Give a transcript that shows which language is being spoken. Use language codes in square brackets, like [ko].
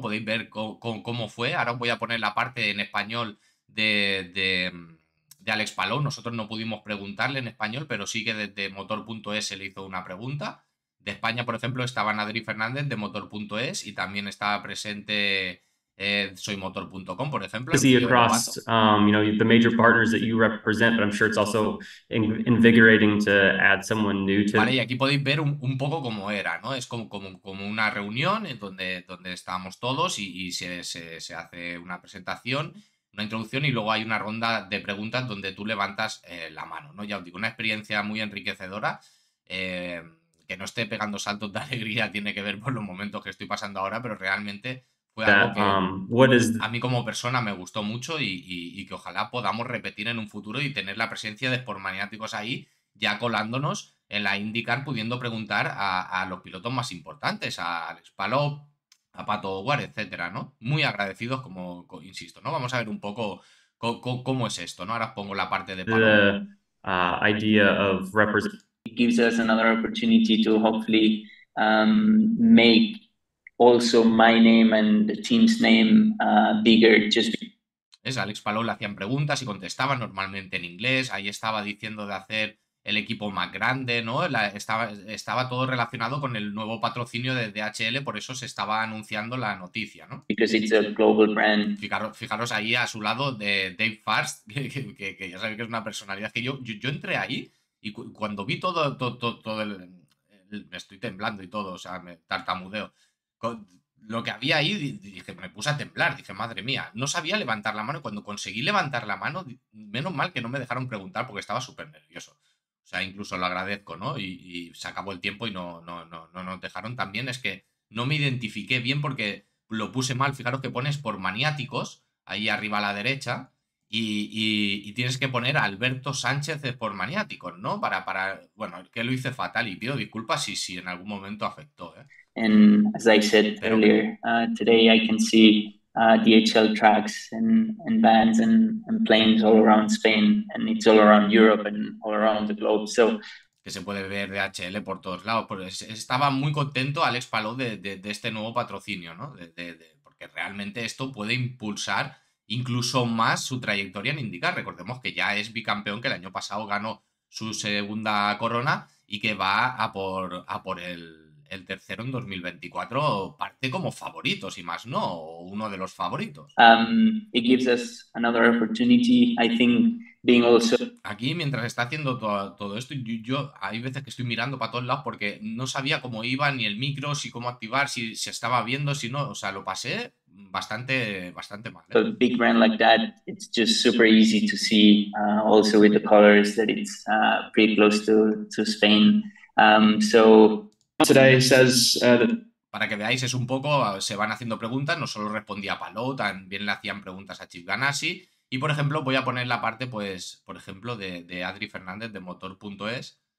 [es] Podéis ver cómo fue. Ahora os voy a poner la parte en español de Alex Palou. Nosotros no pudimos preguntarle en español, pero sí que desde motor.es se le hizo una pregunta. De España, por ejemplo, estaba Adri Fernández de motor.es y también estaba presente soymotor.com, por ejemplo. [en] See across, you know, the major partners that you represent, but I'm sure it's also invigorating to add someone new to. [es] Vale, y aquí podéis ver un poco cómo era, ¿no? Es como una reunión en donde estábamos todos y se hace una presentación, una introducción, y luego hay una ronda de preguntas donde tú levantas la mano, ¿no? Ya os digo, una experiencia muy enriquecedora. Que no esté pegando saltos de alegría tiene que ver por los momentos que estoy pasando ahora, pero realmente fue algo que a mí como persona me gustó mucho y que ojalá podamos repetir en un futuro y tener la presencia de Sport Maniáticos ahí, ya colándonos en la IndyCar, pudiendo preguntar a los pilotos más importantes, a Alex Palou, a Pato O'Ward, etcétera, ¿no? Muy agradecidos, como insisto, ¿no? Vamos a ver un poco cómo es esto, ¿no? Ahora os pongo la parte de [en] Palou. Idea of representing. It gives us another opportunity to hopefully make also my name and the team's name bigger. [es] Es Alex Palou, le hacían preguntas y contestaba normalmente en inglés. Ahí estaba diciendo de hacer el equipo más grande, ¿no? Estaba todo relacionado con el nuevo patrocinio de DHL, por eso se estaba anunciando la noticia, ¿no? [en] Because it's a global brand. [es] Fijaros ahí a su lado de Dave Fast, que ya sabéis que es una personalidad que yo entré ahí. Y cuando vi todo el me estoy temblando y todo, o sea, me tartamudeo. Lo que había ahí, dije, me puse a temblar, dije, madre mía, no sabía levantar la mano. Y cuando conseguí levantar la mano, menos mal que no me dejaron preguntar porque estaba súper nervioso. O sea, incluso lo agradezco, ¿no? Y se acabó el tiempo y no nos dejaron. También es que no me identifiqué bien porque lo puse mal. Fijaros que pones por maniáticos, ahí arriba a la derecha. Y tienes que poner a Alberto Sánchez de por maniáticos, ¿no? Para bueno, que lo hice fatal y pido disculpas si en algún momento afectó, ¿eh? [en] And as I said [es] Pero [en] earlier, today I can see DHL trucks and vans and planes all around Spain, and it's all around Europe and all around the globe. So [es] que se puede ver DHL por todos lados. Pues estaba muy contento Alex Palou de este nuevo patrocinio, ¿no? Porque realmente esto puede impulsar incluso más su trayectoria en IndyCar. Recordemos que ya es bicampeón, que el año pasado ganó su segunda corona y que va a por el tercero en 2024, parte como favorito, si más no, o uno de los favoritos. [en] It gives us another opportunity, I think, being also... [es] Aquí, mientras está haciendo todo esto, yo hay veces que estoy mirando para todos lados porque no sabía cómo iba, ni el micro, si cómo activar, si se estaba viendo, si no, o sea, lo pasé bastante, bastante mal, ¿eh? [en] A big brand like that, it's just super easy to see, also with the colors, that it's pretty close to Spain. So today says that... [es] Para que veáis, es un poco, se van haciendo preguntas, no solo respondía Palou, también le hacían preguntas a Chip Ganassi. Y, por ejemplo, voy a poner la parte, pues, por ejemplo, de Adri Fernández de motor.es.